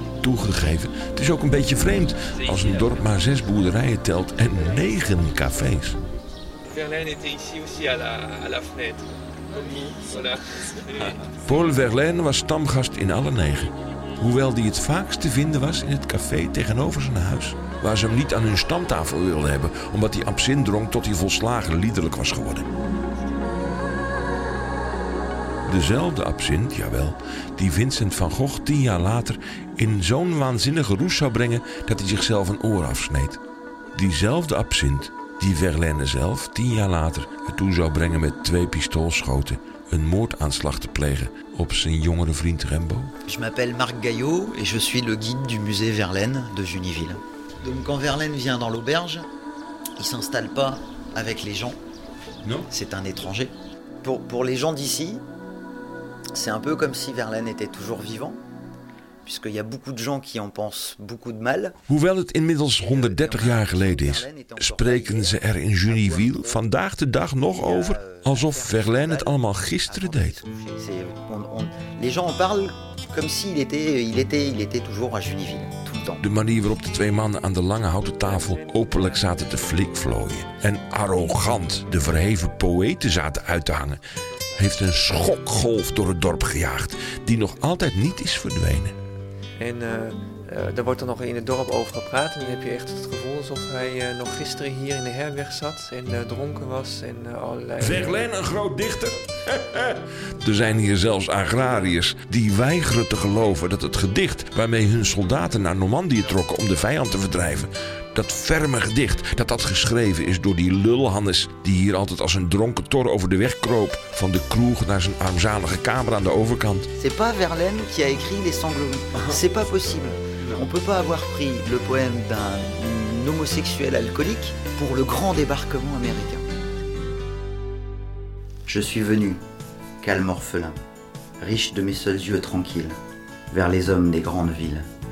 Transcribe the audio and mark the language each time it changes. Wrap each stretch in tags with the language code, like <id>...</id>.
<nl>Toegegeven, het is ook een beetje vreemd als een dorp maar 6 boerderijen telt en 9 cafés.</nl> <fr>Verlaine était ici aussi à la fenêtre.</fr> <nl>Paul Verlaine was stamgast in alle 9. Hoewel die het vaakst te vinden was in het café tegenover zijn huis. Waar ze hem niet aan hun stamtafel wilden hebben, omdat hij absint dronk tot hij volslagen liederlijk was geworden. Dezelfde absint, jawel, die Vincent van Gogh 10 jaar later in zo'n waanzinnige roes zou brengen dat hij zichzelf een oor afsneed. Diezelfde absint die Verlaine zelf 10 jaar later ertoe zou brengen met 2 pistoolschoten een moordaanslag te plegen op zijn jongere vriend Rimbaud.</nl> <fr>Je m'appelle Marc Gaillot et je suis le guide du musée Verlaine de Juniville. Donc quand Verlaine vient dans l'auberge, il s'installe pas avec les gens. Non, c'est un étranger. Pour les gens d'ici, c'est un peu comme si Verlaine était toujours vivant, puisqu'il y a beaucoup de gens qui en pensent beaucoup de mal.</fr> <nl>Hoewel het inmiddels 130 jaar geleden is, spreken ze er in Juniville vandaag de dag nog over alsof Verlaine het allemaal gisteren deed.</nl> <fr>Les gens en parlent comme s'il était toujours à Juniville.</fr> <nl>De manier waarop de 2 mannen aan de lange houten tafel openlijk zaten te flikvlooien en arrogant de verheven poëten zaten uit te hangen, heeft een schokgolf door het dorp gejaagd die nog altijd niet is verdwenen. En er wordt dan nog in het dorp over gepraat en dan heb je echt het gevoel alsof hij nog gisteren hier in de herberg zat en dronken was en allerlei... Verlaine, een groot dichter? Er zijn hier zelfs agrariërs die weigeren te geloven dat het gedicht waarmee hun soldaten naar Normandië trokken om de vijand te verdrijven, dat ferme gedicht dat geschreven is door die lulhannes die hier altijd als een dronken tor over de weg kroop van de kroeg naar zijn armzalige kamer aan de overkant.</nl> <fr>C'est pas Verlaine qui a écrit les sanglots. C'est pas possible. On peut pas avoir pris le poème d'un homosexuel alcoolique pour le grand débarquement américain. Je suis venu, calme orphelin, riche de mes seuls yeux tranquilles, vers les hommes des grandes villes.</fr>